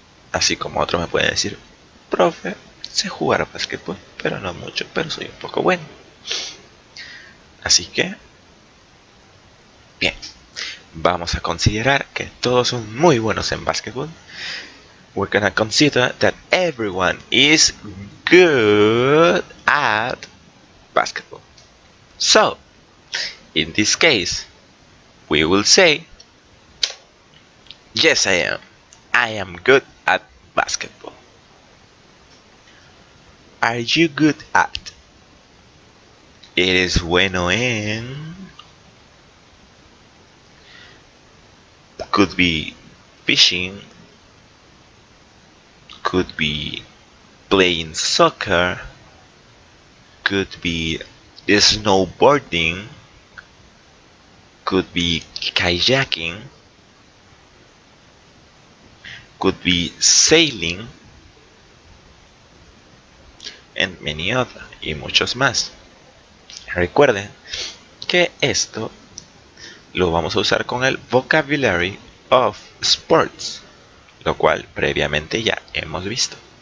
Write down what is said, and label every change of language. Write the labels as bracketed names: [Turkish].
[Spanish] Así como otro me puede decir: profe, sé jugar a básquetbol, pero no mucho, pero soy un poco bueno. Así que, bien, vamos a considerar que todos son muy buenos en básquetbol. [English] We're gonna consider that everyone is good at basketball. So, in this case, we will say, yes, I am. I am good at basketball. Are you good at? [Spanish] ¿Eres bueno en? [English] Could be fishing. Could be playing soccer, could be snowboarding, could be kayaking, could be sailing, and many other, [Spanish] y muchos más. Recuerden que esto lo vamos a usar con el vocabulary of sports, lo cual previamente ya hemos visto.